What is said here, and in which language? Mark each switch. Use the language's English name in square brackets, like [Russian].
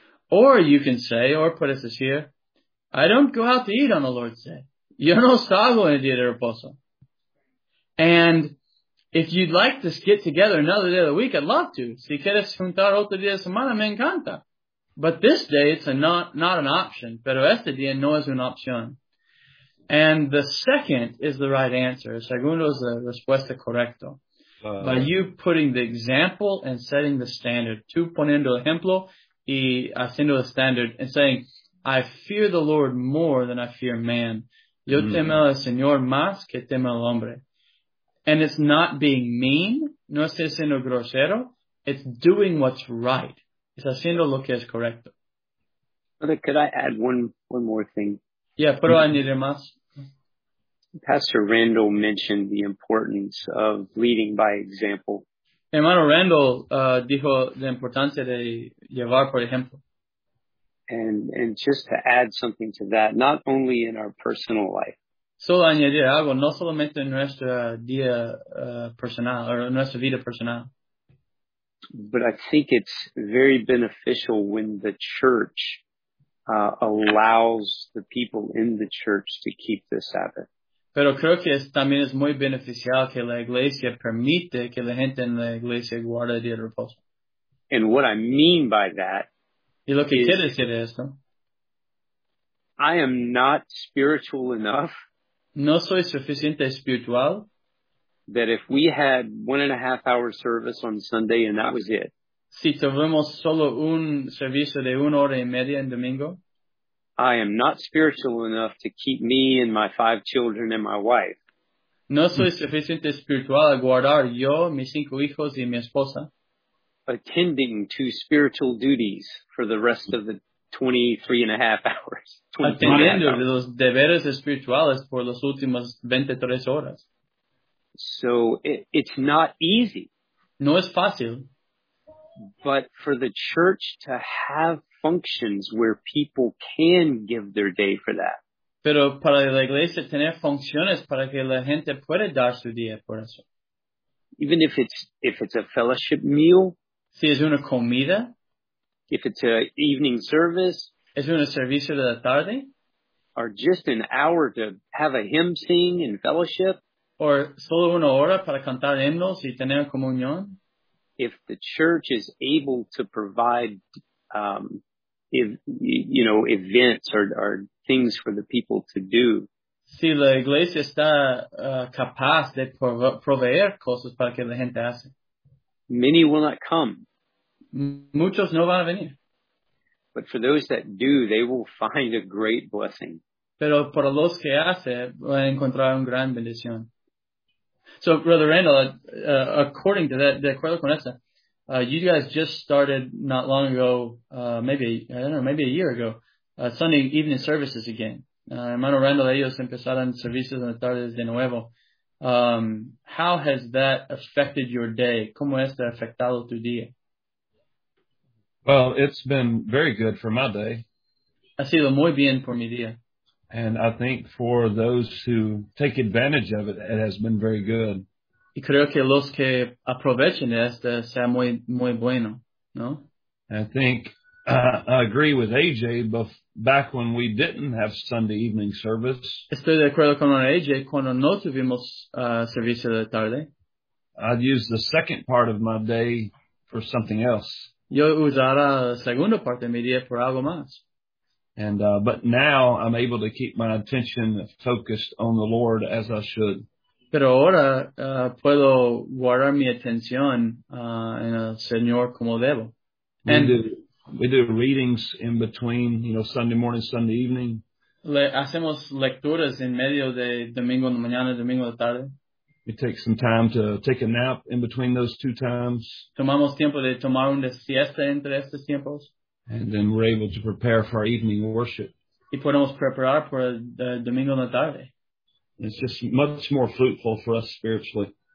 [English] Or you can say, or put us this here, I don't go out to eat on the Lord's Day. [Spanish] Yo no salgo en el día de reposo. [English] And if you'd like to get together another day of the week, I'd love to. [Spanish] Si quieres juntar otro día de semana, me encanta. [English] But this day, it's not an option. [Spanish] Pero este día no es una opción. [English] And the second is the right answer. [Spanish] Segundo es la respuesta correcta. [English] By you putting the example and setting the standard. [Spanish] Tú poniendo ejemplo y haciendo el standard [English] and saying, I fear the Lord more than I fear man. [Spanish] Yo temo al Señor más que temo al hombre. [English] And it's not being mean. [Spanish] No estoy siendo grosero. [English] It's doing what's right. [Spanish] Es haciendo lo que es correcto. [English] Brother, could I add one more thing? [Spanish] Yeah, pero añadir más. [English] Pastor Randall mentioned the importance of leading by example. [Spanish] Hermano Randall dijo la importancia de llevar por ejemplo. [English] And just to add something to that, not only in our personal life. [Spanish] Solo añadir algo, no solamente en nuestra día personal, o nuestra vida personal. [English] But I think it's very beneficial when the church allows the people in the church to keep the Sabbath. [Spanish] Pero creo que también es muy beneficial que la iglesia permite que la gente en la iglesia guarde el día de reposo. [English] And what I mean by that [Spanish] is, y lo que quiere decir esto, [English] I am not spiritual enough. [Spanish] No soy suficiente espiritual. [English] That if we had 1.5 hour service on Sunday and that was it. [Spanish] Si tuvimos solo un servicio de 1 hora y media en domingo. [English] I am not spiritual enough to keep me and my 5 children and my wife. [Spanish] No soy suficiente espiritual a guardar yo, mis 5 hijos y mi esposa. [English] Attending to spiritual duties for the rest of the 23.5 hours. [Spanish] Atendiendo los deberes espirituales por las últimas 23 horas. [English] So it's not easy. [Spanish] No es fácil. [English] But for the church to have functions where people can give their day for that. [Spanish] Pero para la iglesia tener funciones para que la gente pueda dar su día por eso. [English] Even if it's a fellowship meal. [Spanish] Si es una comida. [English] If it's an evening service. [Spanish] Es un servicio de la tarde. [English] Or just an hour to have a hymn sing in fellowship. [Spanish] Or solo una hora para cantar himnos y tener comunión. [English] If the church is able to provide events or things for the people to do. [Spanish] Si la iglesia está capaz de proveer cosas para que la gente hace. [English] Many will not come. [Spanish] Muchos no van a venir. [English] But for those that do, they will find a great blessing. [Spanish] Pero para los que hace, van a encontrar una gran bendición. [English] So, Brother Randall, according to that, [Spanish] de acuerdo con esa, [English] you guys just started not long ago, maybe a year ago, Sunday evening services again. [Spanish] Hermano Randall, ellos empezaron servicios en las tardes de nuevo. [English] How has that affected your day? [Spanish] ¿Cómo esto ha afectado tu día? [English] Well, it's been very good for my day. [Spanish] Ha sido muy bien por mi día. [English] And I think for those who take advantage of it, it has been very good. [Spanish] Y creo que los que aprovechan esto sea muy, muy bueno, ¿no? [English] I think I agree with AJ, but back when we didn't have Sunday evening service. [Spanish] Estoy de acuerdo con AJ cuando no tuvimos servicio de tarde. [English] I'd use the second part of my day for something else. [Spanish] Yo usara la segunda parte de mi día por algo más. [English] And but now I'm able to keep my attention focused on the Lord as I should. [Spanish] Pero ahora puedo guardar mi atención en el Señor como debo. [English] We do readings in between, Sunday morning, Sunday evening. [Spanish] Hacemos lecturas en medio de domingo en la mañana, domingo en la tarde. [English] We take some time to take a nap in between those two times. [Spanish] Tomamos tiempo de tomar una siesta entre estos tiempos. [English] And then we're able to prepare for our evening worship. [Spanish] Y podemos preparar por el domingo en la tarde. [English] It's just much more fruitful for us spiritually.